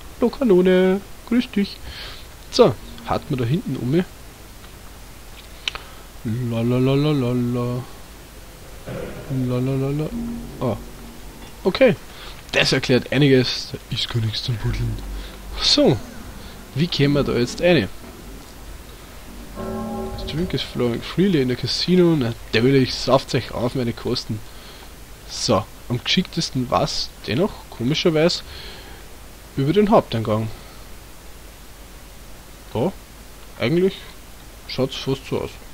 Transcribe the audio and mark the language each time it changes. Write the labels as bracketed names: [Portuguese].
[German] Hallo Kanone, grüß dich. So, hat man da hinten um. Lalalalalala. Ah. Okay. Das erklärt einiges. Da ist gar nichts zum Buddeln. So, wie kämen wir da jetzt rein? [English] Drink is flowing freely in the casino. [German] Natürlich, sauft euch auf meine Kosten. So, am geschicktesten war es dennoch, komischerweise, über den Haupteingang. Da, eigentlich schaut es fast so aus.